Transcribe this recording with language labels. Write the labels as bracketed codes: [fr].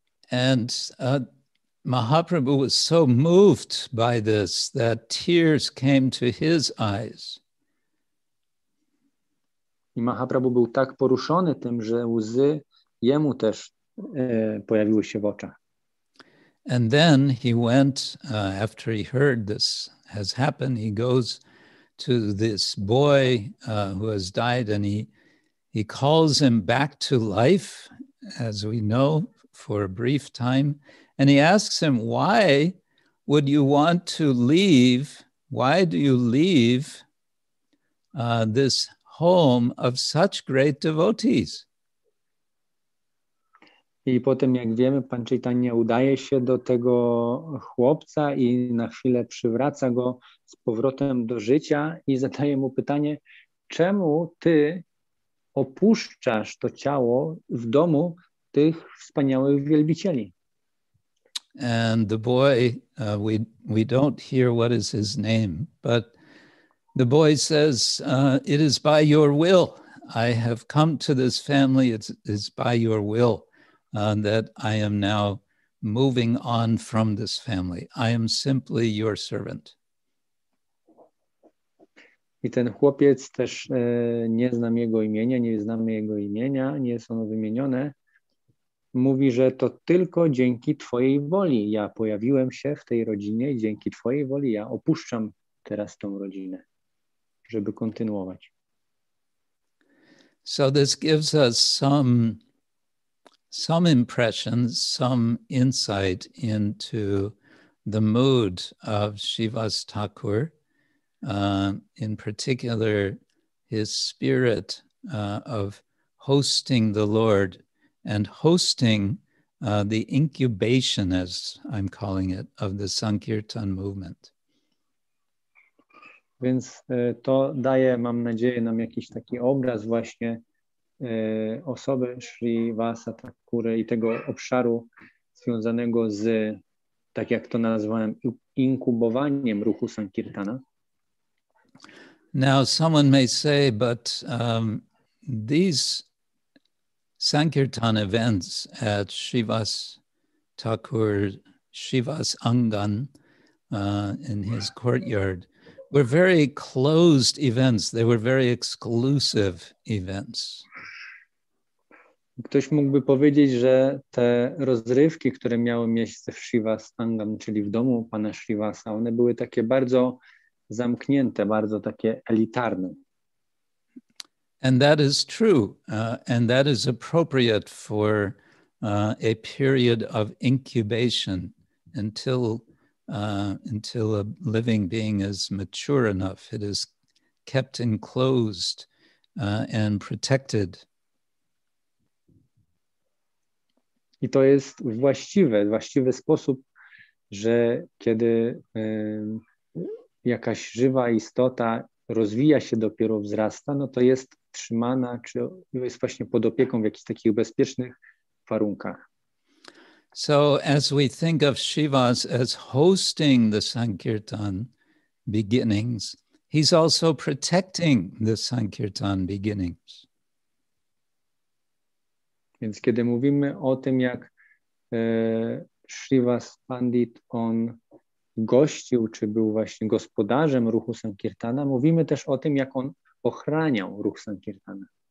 [en] And Mahaprabhu was so moved by this that tears came to his eyes. [pl] I Mahaprabhu był tak poruszony tym, że łzy jemu też pojawiły się w oczach. [en] And then he went, after he heard this has happened, he goes to this boy who has died, and he calls him back to life, as we know, for a brief time. And he asks him, why would you want to leave? Why do you leave this home of such great devotees? [pl] I potem, jak wiemy, pan Chaitanya udaje się do tego chłopca i na chwilę przywraca go z powrotem do życia i zadaje mu pytanie, czemu ty opuszczasz to ciało w domu tych wspaniałych wielbicieli? [en] And the boy, we don't hear what is his name, but the boy says, it is by your will. I have come to this family, it's by your will. That I am now moving on from this family. I am simply your servant. [pl] I ten chłopiec też nie znam jego imienia, nie znamy jego imienia, nie jest ono wymienione. Mówi, że to tylko dzięki twojej woli. Ja pojawiłem się w tej rodzinie i dzięki twojej woli ja opuszczam teraz tą rodzinę, żeby kontynuować. [en] So this gives us some impressions, some insight into the mood of Śrīvas Thakura, in particular his spirit of hosting the Lord and hosting the incubation, as I'm calling it, of the Sankirtan movement. [pl] Więc to daje, mam nadzieję, nam jakiś taki obraz właśnie osoby Śrīvasa Thakura i tego obszaru związanego z, tak jak to nazwałem, inkubowaniem ruchu Sankirtana. [en] Now someone may say, but these Sankirtan events at Śrīvas Thakur, Śrīvas Angan, in his courtyard, were very closed events. They were very exclusive events. [pl] Ktoś mógłby powiedzieć, że te rozrywki, które miały miejsce w Śrīvas Angam, czyli w domu pana Śrīvasa, one były takie bardzo zamknięte, bardzo takie elitarne. [en] And that is true. And that is appropriate for a period of incubation until a living being is mature enough. It is kept enclosed and protected. [pl] I to jest właściwy sposób, że kiedy jakaś żywa istota rozwija się, dopiero wzrasta, no to jest trzymana, czy jest właśnie pod opieką w jakichś takich bezpiecznych warunkach. [en] So as we think of Shivas as hosting the Sankirtan beginnings, he's also protecting the Sankirtan beginnings. [pl] Więc kiedy mówimy o tym, jak Shrivas Pandit, on gościł, czy był właśnie gospodarzem ruchu Sankirtana, mówimy też o tym, jak on ochraniał ruch Sankirtana.